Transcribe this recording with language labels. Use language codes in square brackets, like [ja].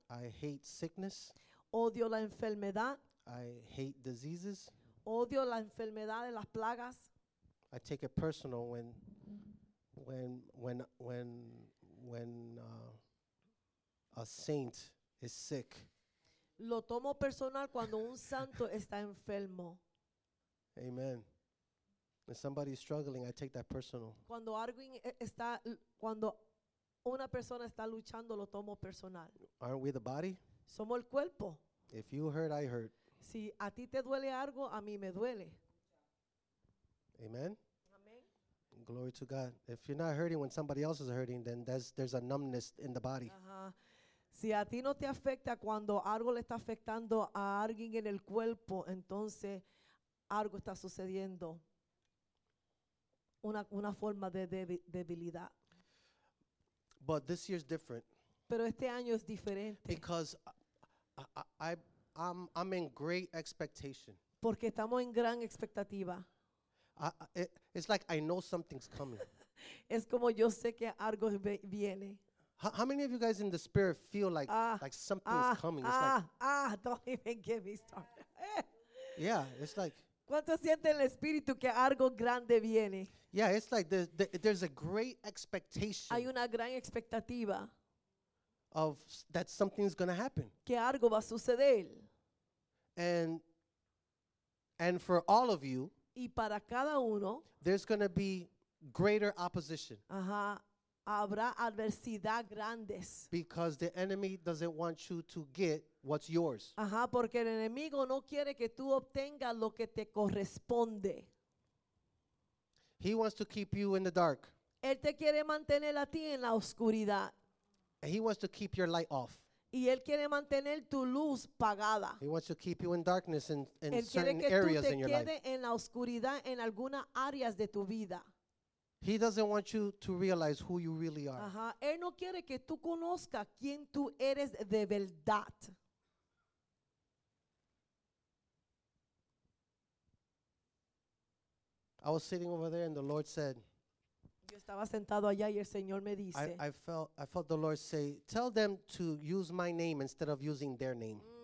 [en] I hate sickness. [es] Odio la enfermedad. [en] I hate diseases. [es] Odio la enfermedad y las plagas. [en] I take it personal when a saint is sick. [es] Lo tomo personal cuando un santo está enfermo. [en] Amen. When somebody is struggling, I take that personal. [es] Cuando alguien está, cuando una persona está luchando, lo tomo personal. [en] Aren't we the body? [es] Somos el cuerpo. [en] If you hurt, I hurt. [es] Si a ti te duele algo, a mí me duele. [en] Amen. Glory to God. If you're not hurting when somebody else is hurting, then there's a numbness in the body. [es] Si a ti no te afecta cuando algo le está afectando a alguien en el cuerpo, entonces algo está sucediendo. Una forma de debilidad. [en] But this year's different. [es] Pero este año es diferente. [en] Because I'm in great expectation. [es] Porque estamos en gran expectativa. [en] It's like I know something's coming. [es] Es como yo sé que algo viene. [en] How many of you guys in the spirit feel like something's coming? Don't even get me started. Yeah, it's like. [es] ¿Cuánto siente el espíritu que algo grande viene? [en] Yeah, it's like there's a great expectation. [es] Hay una gran expectativa. [en] Of that something's gonna happen. [es] Que algo va a suceder. [en] And for all of you. [es] Y para cada uno, [en] there's going to be greater opposition. [es] Habrá adversidad grandes. [en] Because the enemy doesn't want you to get what's yours. [es] Porque el enemigo no quiere que tú obtengas lo que te corresponde. [en] He wants to keep you in the dark. [es] Él te quiere mantener a ti en la oscuridad. [en] And he wants to keep your light off. [es] Y él quiere mantener tu luz pagada. [en] He wants to keep you in darkness in [es] él [en] certain areas in your life. [es] Él quiere que tú te quedes en la oscuridad en algunas áreas de tu vida. [en] He doesn't want you to realize who you really are. [es] Él no quiere que tú conozcas quién tú eres de verdad. [en] I was sitting over there and the Lord said, [es] yo estaba sentado allá y el Señor me dice, [en] I felt the Lord say, tell them to use my name instead of using their name.